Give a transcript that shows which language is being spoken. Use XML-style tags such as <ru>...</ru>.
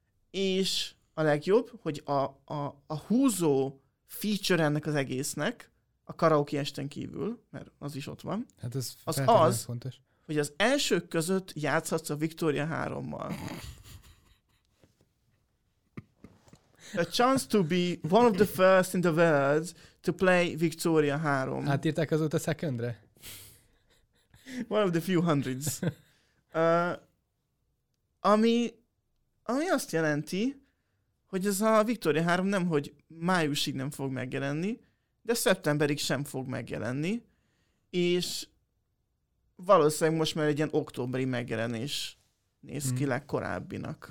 <hu>És a legjobb, hogy a húzó feature ennek az egésznek, a karaoke esten kívül, mert az is ott van, hát ez az az, fontos. Hogy az elsők között játszhatsz a Victoria 3-mal.</hu> <en>A chance to be one of the first in the world to play Victoria 3.</en> <hu>Hát írták azóta secondre?</hu> <en>One of the few hundreds.</en> <hu>Ami azt jelenti, hogy ez a Victoria 3 nem, hogy májusig nem fog megjelenni, de szeptemberig sem fog megjelenni, és valószínűleg most már egy ilyen októberi megjelenés néz ki legkorábbinak.</hu>